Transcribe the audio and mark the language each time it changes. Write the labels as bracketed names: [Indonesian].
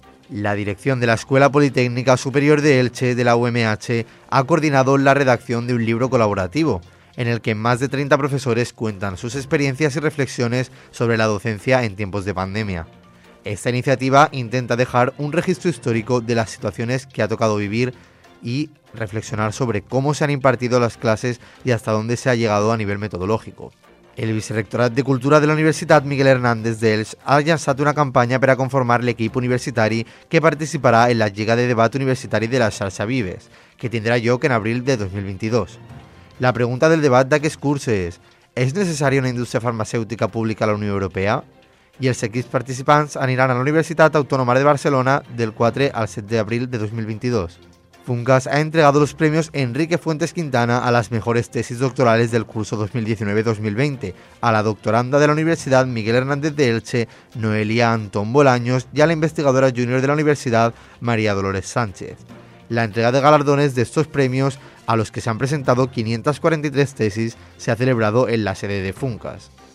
[Spanish] La dirección de la Escuela Politécnica Superior de Elche, de la UMH, ha coordinado la redacción de un libro colaborativo, en el que más de 30 profesores cuentan sus experiencias y reflexiones sobre la docencia en tiempos de pandemia. Esta iniciativa intenta dejar un registro histórico de las situaciones que ha tocado vivir y reflexionar sobre cómo se han impartido las clases y hasta dónde se ha llegado a nivel metodológico. [Catalan] El Vicerrectorat de Cultura de la Universitat Miguel Hernández de Elx ha llançat una campanya per a conformar l'equip universitari que participarà en la Lliga de Debat Universitari de la Xarxa Vives, que tindrà lloc en abril de 2022. La pregunta del debat d'aquest curs és: ¿és necessària una indústria farmacèutica pública a la Unió Europea? I els equips participants aniran a la Universitat Autònoma de Barcelona del 4 al 7 d'abril de 2022. [Spanish] Funcas ha entregado los premios Enrique Fuentes Quintana a las mejores tesis doctorales del curso 2019-2020 a la doctoranda de la Universidad Miguel Hernández de Elche, Noelia Antón Bolaños, y a la investigadora junior de la Universidad, María Dolores Sánchez. La entrega de galardones de estos premios, a los que se han presentado 543 tesis, se ha celebrado en la sede de Funcas.